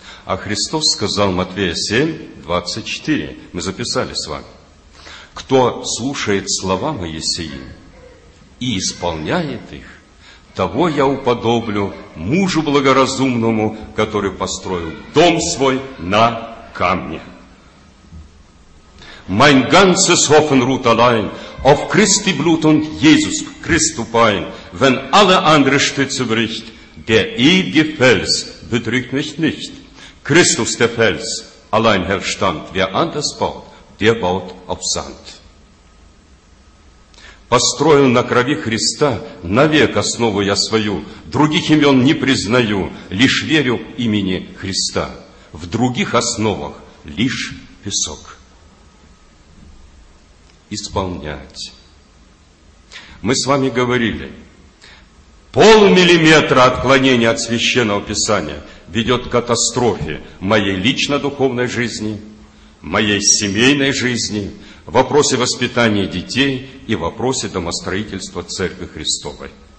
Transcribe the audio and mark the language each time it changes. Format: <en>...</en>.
<ru>А Христос сказал, Матфея 7, 24, мы записали с вами. Кто слушает слова мои сии и исполняет их, того я уподоблю мужу благоразумному, который построил дом свой на камне.</ru> <de>Mein ganzes Hoffen ruht allein auf Christi Blut und Jesus Christus Bein. Wenn alle andere Stütze bricht, der ewige Fels betrügt mich nicht. Christus, der Fels, allein herrscht Stand. Wer anders baut, der baut auf Sand.</de> <ru>Построил на крови Христа, навек основу я свою. Других имен не признаю, лишь верю имени Христа. В других основах лишь песок. Исполнять. Мы с вами говорили, полмиллиметра отклонения от Священного Писания ведет к катастрофе моей лично-духовной жизни, моей семейной жизни, в вопросе воспитания детей и в вопросе домостроительства Церкви Христовой.</ru>